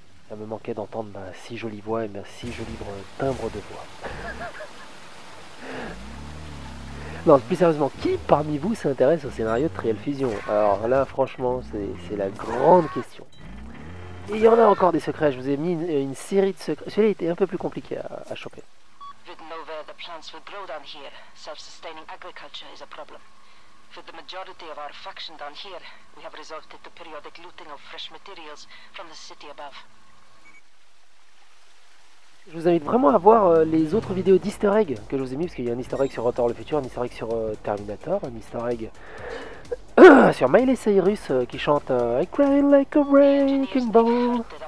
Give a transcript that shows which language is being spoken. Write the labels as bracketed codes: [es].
[fr] Ça me manquait d'entendre ma si jolie voix et ma si jolie timbre de voix. Non, plus sérieusement, qui parmi vous s'intéresse au scénario de Trial Fusion? Alors là, franchement, c'est la grande question. Et il y en a encore des secrets, je vous ai mis une série de secrets. Celui-là était un peu plus compliqué à choper. [en] Written nowhere, the plants will grow down here. Self-sustaining agriculture is a problem. For the majority of our faction down here, we have resorted to periodic looting of fresh materials from the city above. [fr] Je vous invite vraiment à voir les autres vidéos d'easter egg que je vous ai mis, parce qu'il y a un easter egg sur Retour le Futur, un easter egg sur Terminator, un easter egg sur Miley Cyrus qui chante [en] I cry like a wrecking ball.